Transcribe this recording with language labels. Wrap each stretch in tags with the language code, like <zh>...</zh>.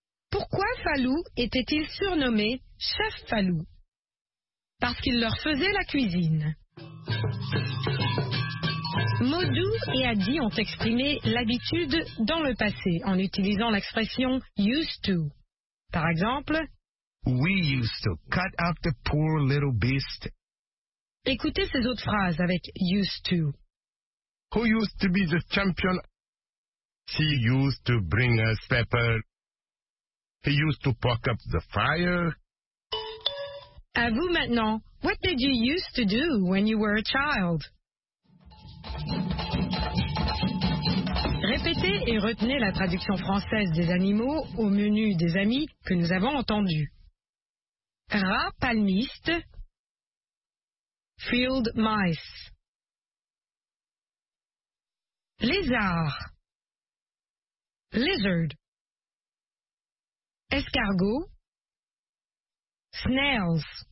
<fr>Pourquoi Falu était-il surnommé Chef Falu? Parce qu'il leur faisait la cuisine. Modou et Adi ont exprimé l'habitude dans le passé en utilisant l'expression « used to ». Par exemple,</fr> <en>we used to cut up the poor little beast.</en> <fr>Écoutez ces autres phrases avec used to.</fr> <en>Who used to be the champion? She used to bring us pepper. He used to poke up the fire.</en> <fr>À vous maintenant.</fr> <en>What did you used to do when you were a child?</en> <fr>Répétez et retenez la traduction française des animaux au menu des amis que nous avons entendu. Rat palmiste,</fr> <en>field mice,</en> <fr>lézard,</fr> <en>lizard,</en> <fr>escargot,</fr> <en>snails.</en>